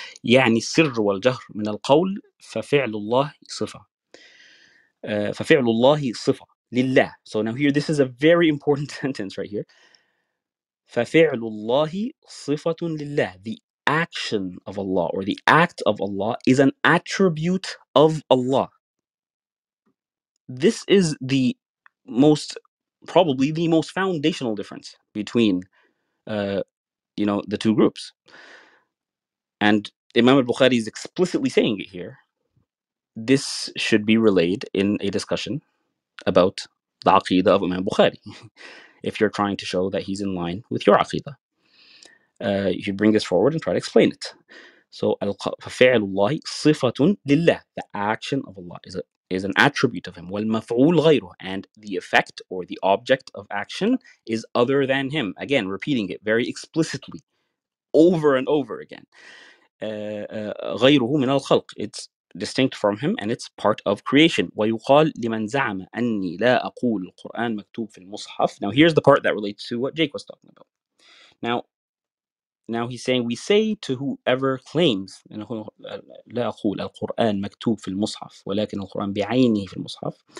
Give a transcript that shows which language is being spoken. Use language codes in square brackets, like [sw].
[ar] يعني السر والجهر من القول ففعل الله صفة ففعل الله صفة لله. [en] So now here, this is a very important sentence right here. [ar] ففعل الله صفة لله. [en] The action of Allah or the act of Allah is an attribute of Allah. This is the most, probably the most foundational difference between you know, the two groups. And Imam al-Bukhari is explicitly saying it here. This should be relayed in a discussion about the Aqeedah of Imam Bukhari. If you're trying to show that he's in line with your Aqeedah, you should bring this forward and try to explain it. [ar] So, فَفِعْلُ اللَّهِ صِفَةٌ لِلَّهِ. [en] The action of Allah is an attribute of him. [ar] وَالْمَفْعُولْ غَيْرُ. [en] And the effect or the object of action is other than him. Again, repeating it very explicitly, over and over again. [ar] غَيْرُهُ مِنَ الْخَلْقِ. [en] It's distinct from him and it's part of creation. [ar] وَيُقَالْ لِمَنْ زَعْمَ أَنِّي لَا أَقُولُ الْقُرْآنَ مَكْتُوبُ فِي الْمُصْحَفِ. [en] Now, here's the part that relates to what Jake was talking about. Now he's saying, we say to whoever claims [ar] لا أقول القرآن مكتوب في المصحف ولكن القرآن بعينه في المصحف.